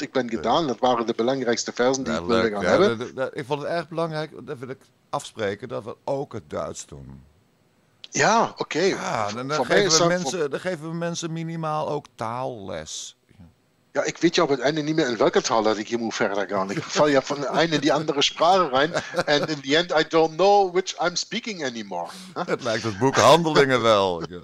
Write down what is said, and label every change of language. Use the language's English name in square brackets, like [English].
[Dutch] Ik ben gedaan, dat waren de belangrijkste versen die ik wilde gaan hebben. Ik vond het erg belangrijk, dat wil ik afspreken, dat we ook het Duits doen. Ja, oké. Dan geven we mensen minimaal ook taalles. Ja, ik weet je op het einde niet meer in welke taal dat ik hier moet verder gaan. Ik val ja van de ene in die andere sprake rein. [English] And in the end, I don't know which I'm speaking anymore. [Dutch] Het lijkt het boek Handelingen wel.